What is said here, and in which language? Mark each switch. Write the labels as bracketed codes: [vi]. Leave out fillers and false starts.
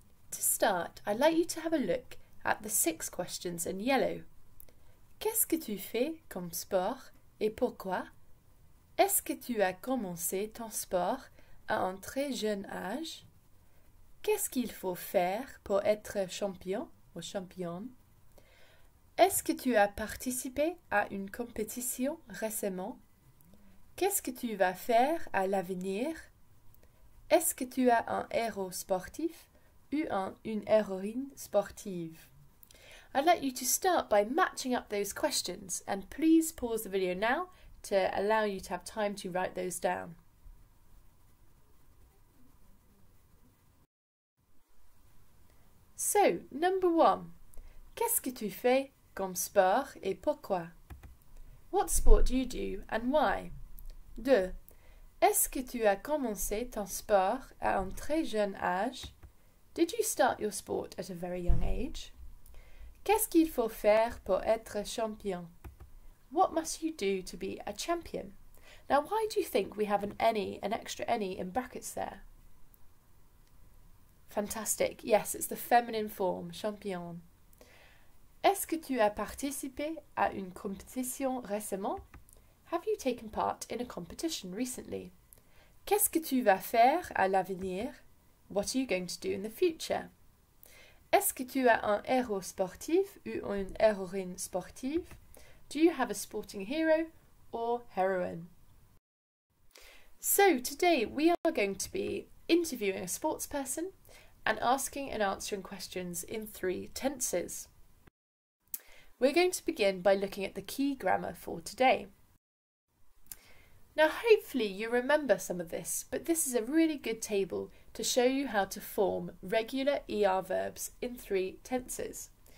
[en] To start, I'd like you to have a look at the six questions in yellow. [fr] Qu'est-ce que tu fais comme sport et pourquoi? Est-ce que tu as commencé ton sport à un très jeune âge? Qu'est-ce qu'il faut faire pour être champion ou championne? Est-ce que tu as participé à une compétition récemment? Qu'est-ce que tu vas faire à l'avenir? Est-ce que tu as un héros sportif ou une héroïne sportive? [en] I'd like you to start by matching up those questions and please pause the video now to allow you to have time to write those down. So, number one, [fr] qu'est-ce que tu fais comme sport et pourquoi? [en] What sport do you do and why? [fr] 2. Est-ce que tu as commencé ton sport à un très jeune âge? [en] Did you start your sport at a very young age? [fr] Qu'est-ce qu'il faut faire pour être champion? [en] What must you do to be a champion? Now, why do you think we have an extra any in brackets there? Fantastic. Yes, it's the feminine form, champion. [fr] Est-ce que tu as participé à une compétition récemment? [en] Have you taken part in a competition recently? [fr] Qu'est-ce que tu vas faire à l'avenir? [en] What are you going to do in the future? [fr] Est-ce que tu as un héros sportif ou une héroïne sportive? [en] Do you have a sporting hero or heroine? So today we are going to be interviewing a sports person and asking and answering questions in three tenses. We're going to begin by looking at the key grammar for today. Now hopefully you remember some of this, but this is a really good table to show you how to form regular ER verbs in three tenses.